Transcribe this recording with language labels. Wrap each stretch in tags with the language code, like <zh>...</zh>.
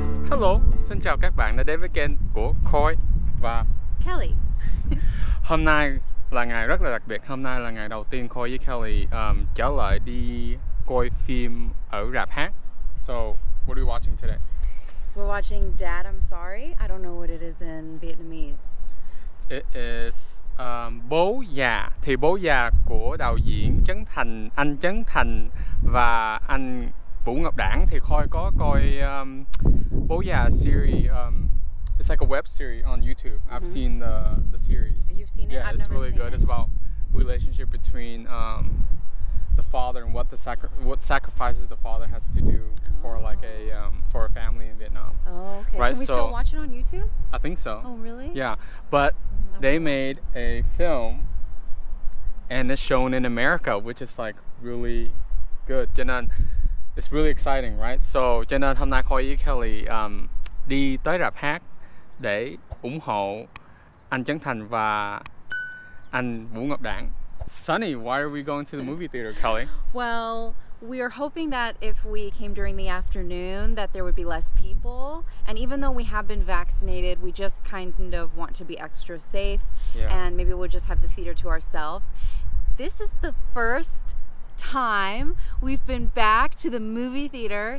<vi>Hello, xin chào các bạn đã đến với kênh của Koi và Kelly. Hôm nay là ngày rất là đặc biệt. Hôm nay là ngày đầu tiên Koi với Kelly trở lại đi coi phim ở rạp hát.</vi> <en>So, what are we watching today? We're watching Dad, I'm Sorry. I don't know what it is in Vietnamese. It is Bố Già.</en> <vi>Thì Bố Già của đạo diễn Trấn Thành, anh Trấn Thành và anh Vũ Ngọc Đảng. Thì Koi có coi Bố Già series.</vi> <en>It's like a web series on YouTube. I've seen the series. You've seen it? Yeah, it's really good. It's about relationship between the father and what sacrifices the father has to do for like a for a family in Vietnam. Oh, okay. Right? Can we still watch it on YouTube? I think so. Oh, really? Yeah, but they made a film, and it's shown in America, which is like really good.</en> <vi>Cho nên,</vi> <en>it's really exciting, right? So, cho nên hôm nay Koi với Kelly đi tới rạp hát để ủng hộ anh Trấn Thành và anh Vũ Ngọc Đảng. Sunny, why are we going to the movie theater, Kelly? Well, we are hoping that if we came during the afternoon that there would be less people. And even though we have been vaccinated, we just kind of want to be extra safe. Yeah. And maybe we'll just have the theater to ourselves. This is the first time we've been back to the movie theater.</en>